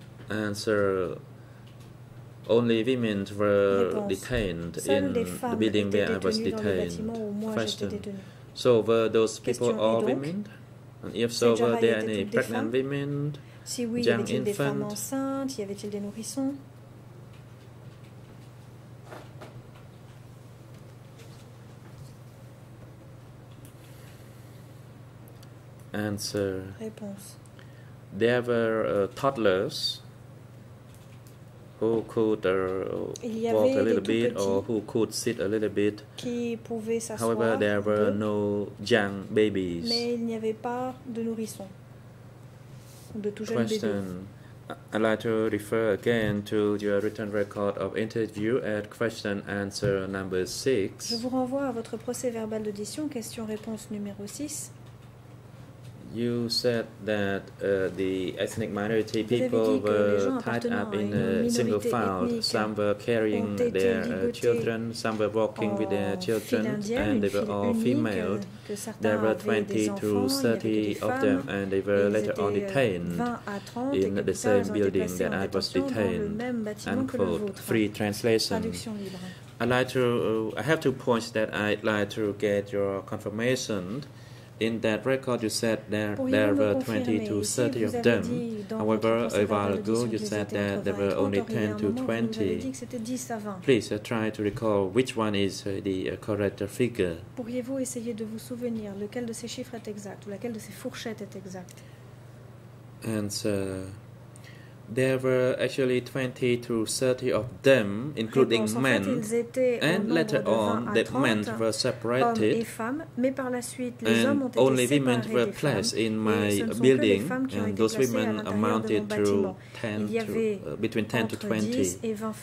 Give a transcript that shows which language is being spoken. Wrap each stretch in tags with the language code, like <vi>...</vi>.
<en>Answer. Only women were detained in the building where I was detained. Question. So were those people all women? And if so, were there any pregnant women,</en> <fr>si oui,</fr> <en>young infants?</en> <fr>Des femmes enceintes, y avait-il des nourrissons?</fr> <en>Answer.</en> <fr>Réponse.</fr> <en>There were toddlers who could walk a little bit or who could sit a little bit.</en> <fr>Qui pouvaient s'asseoir.</fr> <en>However, there were no young babies.</en> <fr>Mais il n'y avait pas de nourrissons. De tout jeune</fr> <en>question.</en> <fr>Bébé.</fr> <en>I'd like to refer again to your written record of interview at question answer number 6.</en> <fr>Je vous renvoie à votre procès-verbal d'audition, question-réponse numéro 6.</fr> <en>You said that the ethnic minority people were tied up in a single file. Some were carrying their children, some were walking with their children, and they were all female. There were 20 to 30 of them, and they were later on detained in the same building that I was detained. Unquote. Free translation. I'd like to, I have 2 points that I'd like to get your confirmation. In that record, you said there were 20 to 30 of them. However, a while ago, you said that there were only 10 to 20. Please try to recall which one is the correct figure.</en> <fr>Pourriez-vous essayer de vous souvenir lequel de ces chiffres est exact ou laquelle de ces fourchettes est exacte?</fr> <en>Answer. There were actually 20 to 30 of them, including men. And later on, the men were separated. And only women were placed in my building. And those women amounted to between 10 to 20.</en>